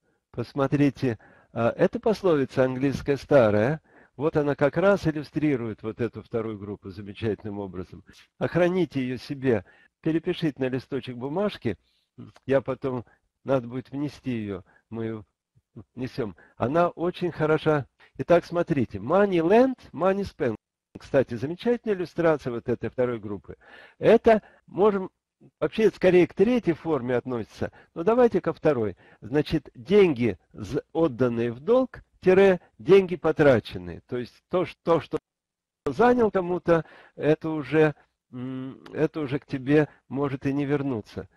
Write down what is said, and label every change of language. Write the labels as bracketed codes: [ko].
[ru] Посмотрите, эта пословица английская старая, вот она как раз иллюстрирует вот эту вторую группу замечательным образом. Охраните ее себе, перепишите на листочек бумажки, я потом, надо будет внести ее, мы ее внесем. Она очень хороша. Итак, смотрите, [en] money lent, money spent. [ru] Кстати, замечательная иллюстрация вот этой второй группы. Это можем, вообще скорее к третьей форме относится, но давайте ко второй. Значит, деньги, отданные в долг, тире, деньги потраченные. То есть то, что занял кому-то, это уже к тебе может и не вернуться.